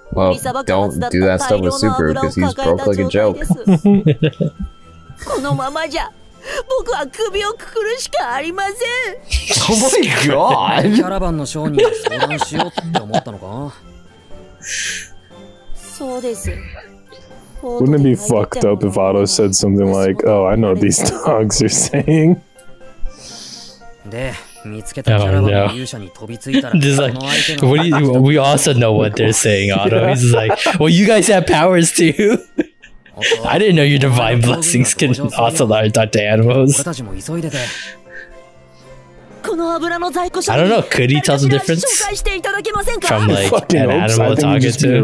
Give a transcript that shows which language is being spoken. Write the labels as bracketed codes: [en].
[ja] ミサバカスだった大量の油を抱えた状態です。 [en] Well, don't do [ja] このままじゃ、僕は首をくくるしかありません。 [en] Oh my god! [ja] キャラバンの商人に相談しようって思ったのか。そうです。 [en] Wouldn't it be fucked up if Otto said something like, "Oh, I know these dogs are saying." [ja] で、見つけたキャラバンの勇者に飛びついたら、この相手が。 [en] Like, what do you, we also know what they're saying, Otto. He's like, "Well, you guys have powers too." I didn't know your divine blessings can also talk to animals. I don't know, could he tell the difference from like an animal talking to